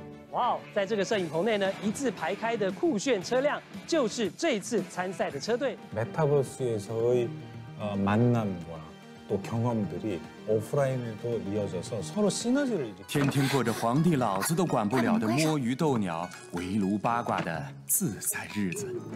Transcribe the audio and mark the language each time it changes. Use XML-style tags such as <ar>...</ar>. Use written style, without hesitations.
<zh>Wow, 在这个摄影棚内呢，一字排开的酷炫车辆就是这次参赛的车队。</zh> <ko>Metaverse에서의 만남과 또 경험들이 오프라인에도 이어져서 서로 시너지를 이렇게</ko> <zh>天天过着皇帝老子都管不了的摸鱼斗鸟围炉八卦的自在日子.</zh>